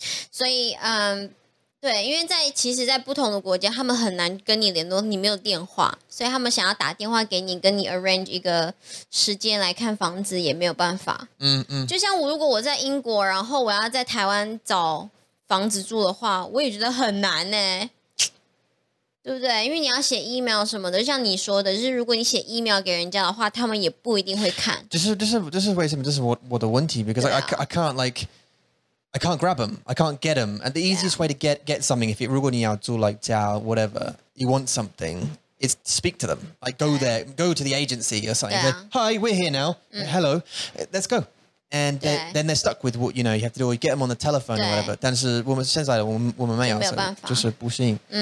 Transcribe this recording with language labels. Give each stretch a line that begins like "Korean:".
Chinese: 所以, 对，因为在其实，在不同的国家，他们很难跟你联络，你没有电话，所以他们想要打电话给你，跟你 arrange 一个时间来看房子，也没有办法。就像我如果我在英国，然后我要在台湾找房子住的话，我也觉得很难呢，对不对？因为你要写 email 什么的，就像你说的，就是如果你写 email 给人家的话，他们也不一定会看。这是为什么？这是我的问题
English: ，because I can't like. I can't grab them. I can't get them. And the easiest way to get something, if you're going to like whatever, you want something, is to speak to them. Like go there, go to the agency or something. Say, hi, we're here now. Hello, let's go. And then they're stuck with what, you know, you have to do, or you get them on the telephone or whatever.
Chinese: 但是我们现在我们没有，就是不行.